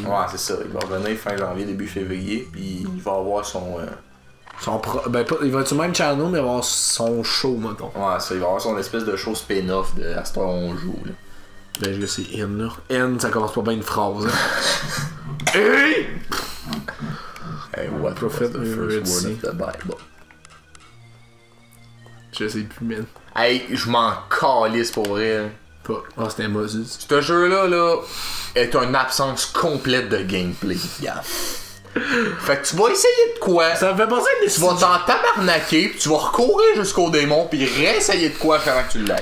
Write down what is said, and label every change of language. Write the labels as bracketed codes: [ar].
[fr] Ouais, c'est ça. Il va revenir fin janvier, début février. Puis il va avoir son. Il va être sur le même channel, mais il va avoir son show, mettons. Ouais, ça. Il va avoir son espèce de show spin-off de Astor on joue, là. Ben, je sais, N, là. N, ça commence pas bien une phrase. Hein. [en] Hey! Hey, what prophet was the first word of the Bible? [fr] Je sais plus, man. Hey, je m'en calisse pour vrai. Oh, c'était Moses. Ce jeu-là, là, est une absence complète de gameplay. [en] Yeah. [fr] Fait que tu vas essayer de quoi? Ça me fait penser à des. Tu vas t'en tabarnaquer, pis tu vas recourir jusqu'au démon, pis réessayer de quoi avant que tu l'aies.